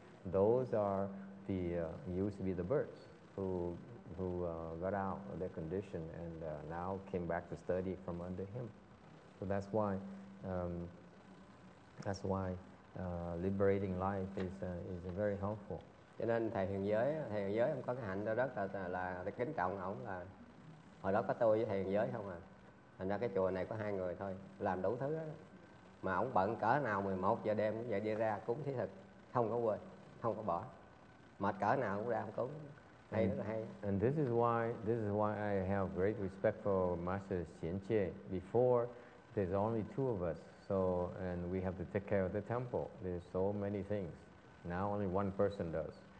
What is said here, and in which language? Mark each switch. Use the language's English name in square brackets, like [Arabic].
[English] Those are the used to be the birds who got out of their condition and now came back to study from under him. So that's why liberating life is very helpful. [Vietnamese] Cho nên thầy Huyền Giới ông có cái hạnh đó rất là kính trọng ông là. Hồi đó có tôi với thầy Huyền Giới không à. Thành ra cái chùa này có 2 người thôi, làm đủ thứ đó. Mà ông bận cỡ nào 11 giờ đêm cũng vậy đi ra cúng thí thực, không có quên, không có bỏ. Mệt cỡ nào cũng ra ông cúng. Hay rất là hay. [English] And this is why I have great respect for Master Xian Jie. Before there's only 2 of us. So and we have to take care of the temple. There's so many things. Now only 1 person does.